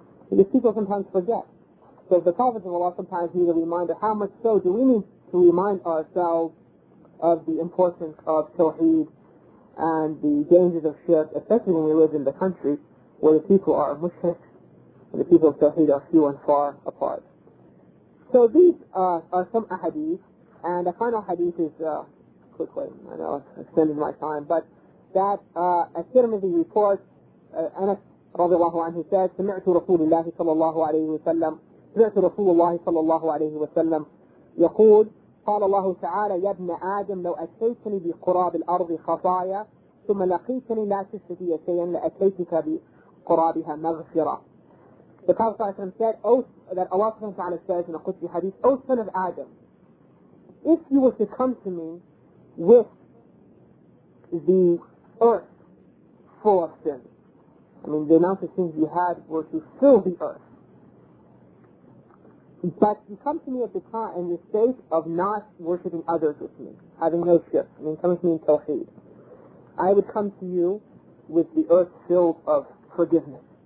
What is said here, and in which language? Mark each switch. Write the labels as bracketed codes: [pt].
[en] Because people sometimes forget. So the prophets of Allah sometimes need a reminder. How much so do we need to remind ourselves of the importance of Tawheed and the dangers of shirk, especially when we live in the country where the people are mushrik and the people of Tawheed are few and far apart. So these are some ahadith, and the final hadith is, quickly, I know I've extended my time, but that At-Tirmidhi reports, Anas radiallahu anhu said, [ar] سَمِعْتُ رَسُولِ اللَّهِ صَلَى اللَّهُ عَلَيْهِ وَسَلَّمْ سَمِعْتُ رَسُولَ اللَّهِ صَلَى اللَّهُ عَلَيْهِ وَسَلَّمْ يَقُولُ قال الله تعالى يا ابن آدم لو أتيتني بقراب الأرض خطايا ثم لقيتني لا تشتهي شيئا لأتيتك بقرابها مغفرة. [en] The Prophet ﷺ said, that Allah ﷺ says in a Qudsi hadith, O son of Adam, if you were to come to me with the earth full of sin, I mean the amount of sins you had were to fill the earth, but you come to me at the time in the state of not worshipping others with me, having no shirk, I mean coming to me in Tawheed, I would come to you with the earth filled of forgiveness.